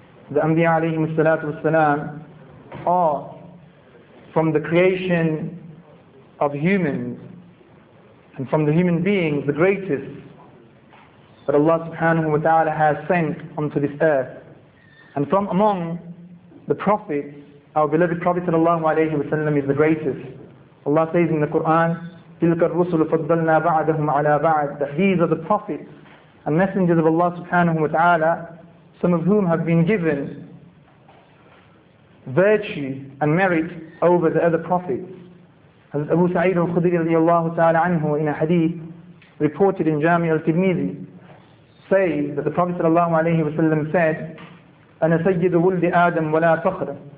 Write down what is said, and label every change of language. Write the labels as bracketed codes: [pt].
[en] The Anbiya alayhim salatu wasalam are from the creation of humans, and from the human beings, the greatest that Allah subhanahu wa ta'ala has sent onto this earth. And from among the prophets, our beloved Prophet sallallahu alayhi wa sallam is the greatest. Allah says in the Quran, [ar] تِلْكَ الرُّسُلُ فَضَّلْنَا بَعْدَهُمْ عَلَىٰ بَعْدٍ. [en] That these are the prophets and messengers of Allah subhanahu wa ta'ala, some of whom have been given virtue and merit over the other prophets. Hazrat Abu Sa'id al-Khudri radiallahu ta'ala anhu, in a hadith reported in Jami al-Tirmidhi, say that the Prophet sallallahu alayhi wa sallam said, [ar] أَنَا سَيِّدُ وُلْدِ آدَمْ وَلَا فَخْرَ.